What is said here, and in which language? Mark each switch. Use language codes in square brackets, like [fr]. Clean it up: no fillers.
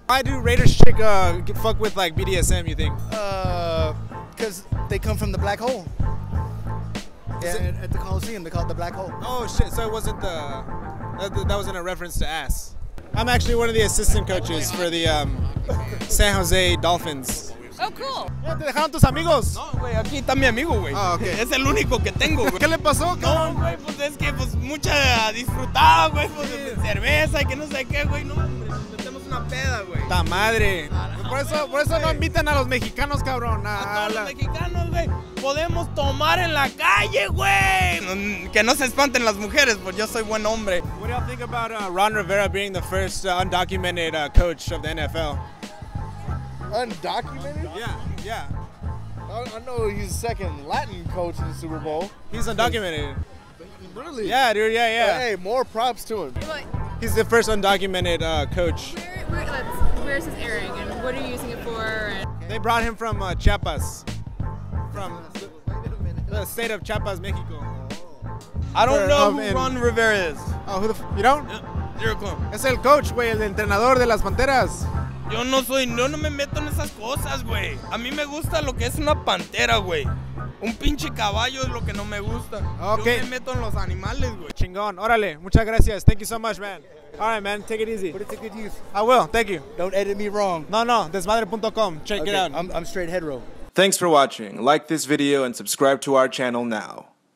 [en] Why do Raiders chick fuck with like BDSM, you think? Because they come from the black hole. Yeah, at the Coliseum, they call it the black hole. Oh, shit, so it wasn't that wasn't a reference to ass. I'm actually one of the assistant coaches for the San Jose Dolphins. Oh, cool. [es] ¿Ya te dejaron tus amigos? No, güey, aquí está mi amigo, güey. Ah, ok. Es el único que tengo, güey. ¿Qué le pasó, cabrón? No, güey, pues es que pues mucha disfrutada, güey, pues sí. De cerveza y que no sé qué, güey. No, hombre, nos metemos una peda, güey. ¡Ta madre! Por eso no invitan a los mexicanos, cabrón. A todos los mexicanos, güey, podemos tomar en la calle, güey. Que no se espanten las mujeres, pues yo soy buen hombre. [en] What do you think about Ron Rivera being the first undocumented coach of the NFL? Undocumented? Yeah, yeah. I know he's second Latin coach in the Super Bowl. He's undocumented. Really? Yeah, dude, yeah, yeah. Hey, more props to him. What? He's the first undocumented coach. Where is his airing and what are you using it for? They brought him from Chiapas. From wait a the state of Chiapas, Mexico. Oh. I don't know who Ron Rivera is. Oh, who the you don't? Zero clone. [es] Es el coach, güey, el entrenador de las Panteras. Yo no soy, no me meto en esas cosas, güey. A mí me gusta lo que es una pantera, güey. Un pinche caballo es lo que no me gusta. Okay. Yo me meto en los animales, güey. Chingón, órale, muchas gracias. [en] Thank you so much, man. All right, man, take it easy. But it's a good use. I will, thank you. Don't edit me wrong. No, desmadre.com, check it out. I'm straight head roll. Thanks for watching. Like this video and subscribe to our channel now.